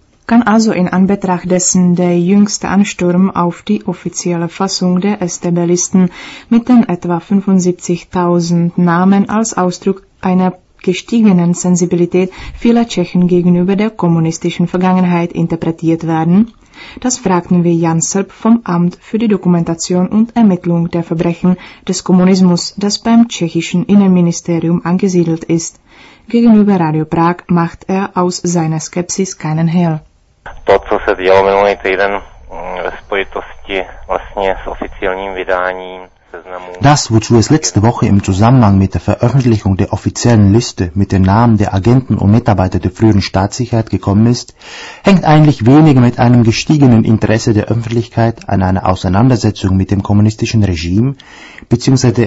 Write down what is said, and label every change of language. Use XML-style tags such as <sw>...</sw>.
<de>Kann also in Anbetracht dessen der jüngste Ansturm auf die offizielle Fassung der SDB-Listen mit den etwa 75.000 Namen als Ausdruck einer gestiegenen Sensibilität vieler Tschechen gegenüber der kommunistischen Vergangenheit interpretiert werden? Das fragten wir Jan Srb vom Amt für die Dokumentation und Ermittlung der Verbrechen des Kommunismus, das beim tschechischen Innenministerium angesiedelt ist. Gegenüber Radio Prag macht er aus seiner Skepsis keinen Hehl.</de> <cs>To, co se dělo minulý týden ve spojitosti vlastně s oficiálním vydáním seznamu.</cs> <de>Das, wozu es letzte Woche im Zusammenhang mit der Veröffentlichung der offiziellen Liste mit den Namen der Agenten und Mitarbeiter der früheren Staatssicherheit gekommen ist, hängt eigentlich weniger mit einem gestiegenen Interesse der Öffentlichkeit an einer Auseinandersetzung mit dem kommunistischen Regime bzw.</de>